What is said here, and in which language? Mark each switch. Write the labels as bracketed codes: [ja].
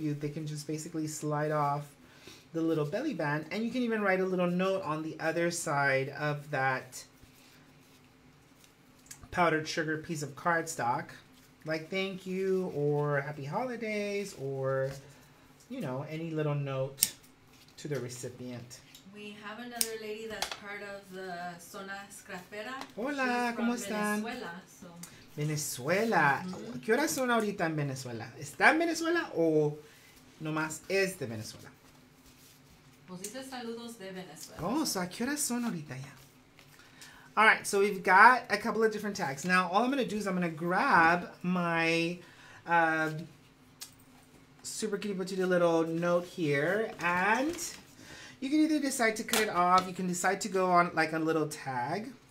[en] They can just basically slide off the little belly band, and you can even write a little note on the other side of that powdered sugar piece of cardstock, like thank you or happy holidays or, you know, any little note to the recipient. We have another lady that's part of the Zona Scrapera. [es] Hola, ¿cómo están? [en] Venezuela, so. Venezuela. Mm-hmm. [es] ¿Qué horas son ahorita en Venezuela? ¿Está en Venezuela o nomás es de Venezuela? Pues dice saludos de Venezuela. [en] Oh, so [es] ¿a qué horas son ahorita ya? [en] All right, so we've got a couple of different tags. Now, all I'm going to do is I'm going to grab my super cute petite little note here, and you can either decide to cut it off, you can decide to go on like a little tag.